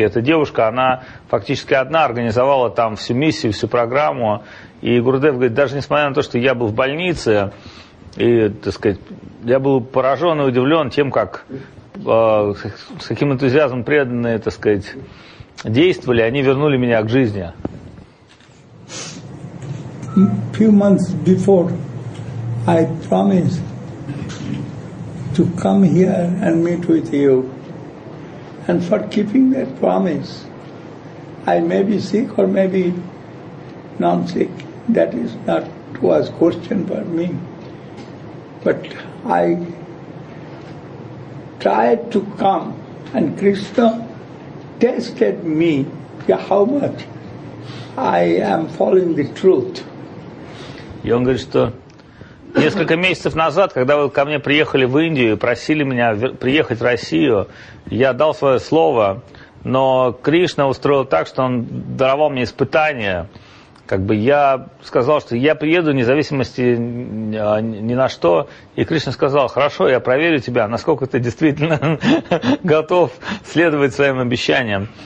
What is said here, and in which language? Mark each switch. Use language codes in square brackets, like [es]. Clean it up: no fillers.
[ru] Эта девушка, она фактически одна организовала там всю миссию, всю программу. И Гурудев говорит, даже несмотря на то, что я был в больнице, и, так сказать, я был поражен и удивлен тем, как, с каким энтузиазмом преданные, так сказать, действовали, они вернули меня к жизни. [en] A few months before I promised to come here and meet with you. And for keeping that promise, I may be sick or maybe non-sick. That is not was question for me. But I tried to come, and Krishna tested me how much I am following the truth. [ru] Несколько месяцев назад, когда вы ко мне приехали в Индию и просили меня приехать в Россию, я дал свое слово, но Кришна устроил так, что он даровал мне испытание. Как бы я сказал, что я приеду вне зависимости ни на что, и Кришна сказал: хорошо, я проверю тебя, насколько ты действительно готов следовать своим обещаниям.